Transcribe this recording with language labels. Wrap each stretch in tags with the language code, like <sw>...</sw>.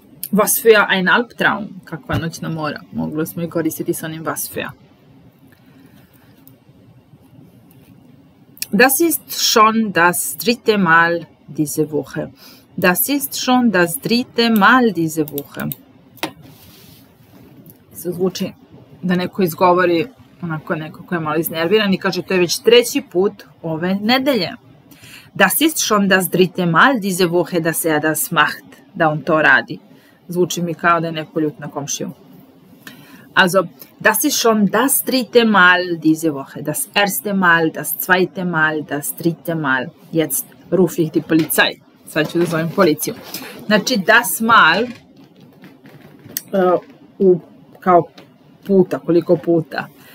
<de>Was für ein Albtraum,</de> <sr>kakva noćna mora? Mogli smo i koristiti sa onim</sr> <de>was für. Das ist schon das dritte Mal diese Woche. Das ist schon das dritte Mal diese Woche.</de> <sr>Zvuči da neko izgovori onako neko ko je malo iznerviran i kaže to je već treći put ove nedelje.</sr> <de>Das ist schon das dritte Mal diese Woche, dass er das macht,</de> <sr>da on to radi. Zvuči mi kao da je neko ljut na komšiju.</sr> <de>Also, das ist schon das dritte Mal diese Woche, das erste Mal, das zweite Mal, das dritte Mal. Jetzt rufe ich die Polizei.</de> <sr>Sad ću da zovem policiju. Znači,</sr> <de>das Mal</de> <sr>u kao puta, koliko puta.</sr>